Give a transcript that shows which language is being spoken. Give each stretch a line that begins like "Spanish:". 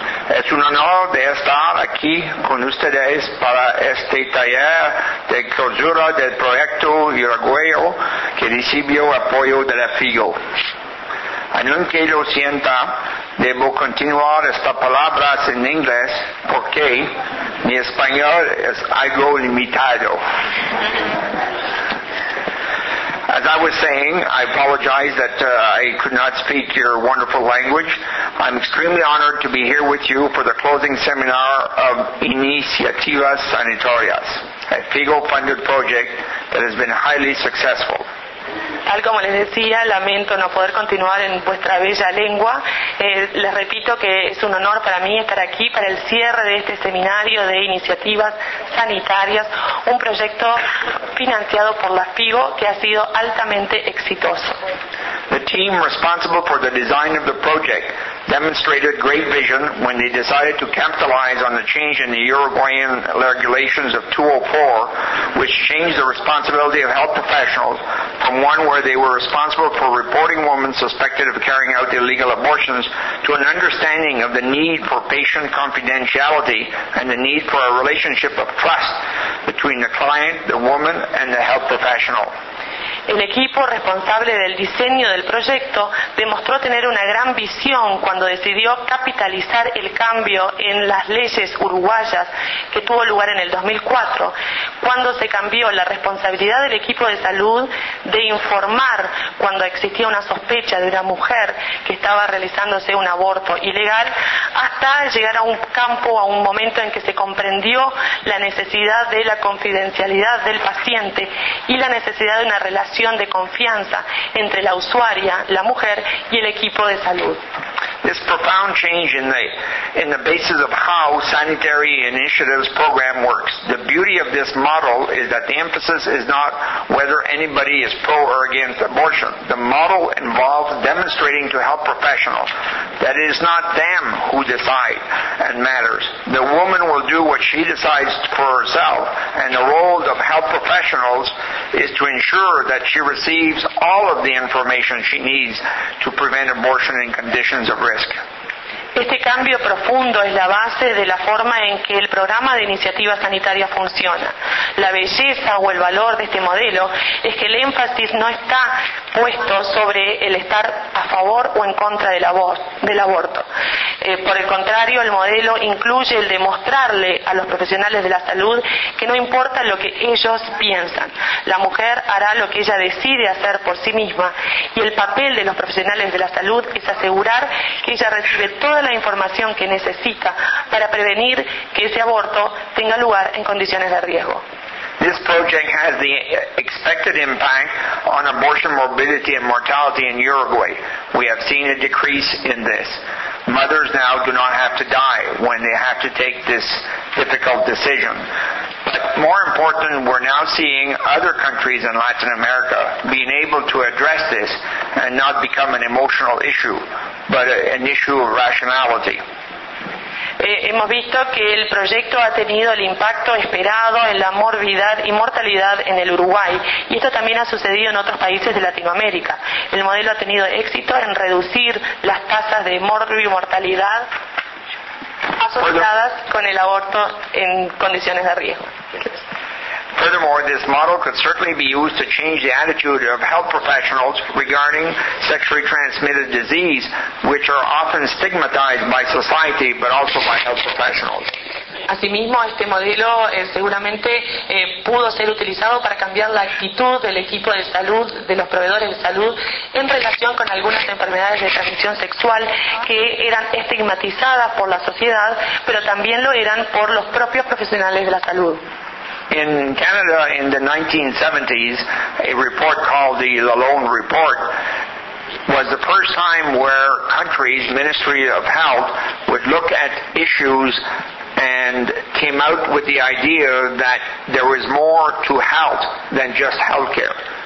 Spanish: Es un honor de estar aquí con ustedes para este taller de clausura del proyecto Uruguayo que recibió apoyo de la FIGO. Aunque lo sienta, debo continuar estas palabras en inglés porque mi español es algo limitado.
English: As I was saying, I apologize that I could not speak your wonderful language. I'm extremely honored to be here with you for the closing seminar of Iniciativas Sanitarias, a FIGO-funded project that has been highly successful.
Spanish: Tal como les decía, lamento no poder continuar en vuestra bella lengua. Les repito que es un honor para mí estar aquí para el cierre de este seminario de Iniciativas Sanitarias, un proyecto financiado por la FIGO que ha sido altamente exitoso.
English: The team responsible for the design of the project demonstrated great vision when they decided to capitalize on the change in the Uruguayan regulations of 204, which changed the responsibility of health professionals from one where they were responsible for reporting women suspected of carrying out illegal abortions to an understanding of the need for patient confidentiality and the need for a relationship of trust between the client, the woman, and the health professional.
Spanish: El equipo responsable del diseño del proyecto demostró tener una gran visión cuando decidió capitalizar el cambio en las leyes uruguayas que tuvo lugar en el 2004, cuando se cambió la responsabilidad del equipo de salud de informar cuando existía una sospecha de una mujer que estaba realizándose un aborto ilegal, hasta llegar a un campo, a un momento en que se comprendió la necesidad de la confidencialidad del paciente y la necesidad de una relación de confianza entre la usuaria, la mujer, y el equipo de salud.
English: This profound change in the basis of how sanitary initiatives program works. The beauty of this model is that the emphasis is not whether anybody is pro or against abortion. The model involves demonstrating to health professionals that it is not them who decide and matters. The woman will do what she decides for herself, and the role of health professionals is to ensure that she receives all of the information she needs to prevent abortion in conditions of risk.
Spanish: Este cambio profundo es la base de la forma en que el programa de iniciativa sanitaria funciona. La belleza o el valor de este modelo es que el énfasis no está puesto sobre el estar a favor o en contra del aborto. Por el contrario, el modelo incluye el demostrarle a los profesionales de la salud que no importa lo que ellos piensan. La mujer hará lo que ella decide hacer por sí misma y el papel de los profesionales de la salud es asegurar que ella recibe toda la información que necesita para prevenir que ese aborto tenga lugar en condiciones de riesgo.
English: This project has the expected impact on abortion morbidity and mortality in Uruguay. We have seen a decrease in this. Mothers now do not have to die when they have to take this difficult decision. But more important, we're now seeing other countries in Latin America being able to address this and not become an emotional issue, but an issue of rationality.
Spanish: Hemos visto que el proyecto ha tenido el impacto esperado en la morbilidad y mortalidad en el Uruguay, y esto también ha sucedido en otros países de Latinoamérica. El modelo ha tenido éxito en reducir las tasas de morbimortalidad asociadas con el aborto en condiciones de riesgo.
English: Furthermore, this model could certainly be used to change the attitude of health professionals regarding sexually transmitted disease, which are often stigmatized by society, but also by health professionals.
Spanish: Asimismo, este modelo seguramente pudo ser utilizado para cambiar la actitud del equipo de salud, de los proveedores de salud, en relación con algunas enfermedades de transmisión sexual que eran estigmatizadas por la sociedad, pero también lo eran por los propios profesionales de la salud.
English: In Canada, in the 1970s, a report called the Lalonde Report was the first time where countries, Ministry of Health, would look at issues and came out with the idea that there was more to health than just healthcare.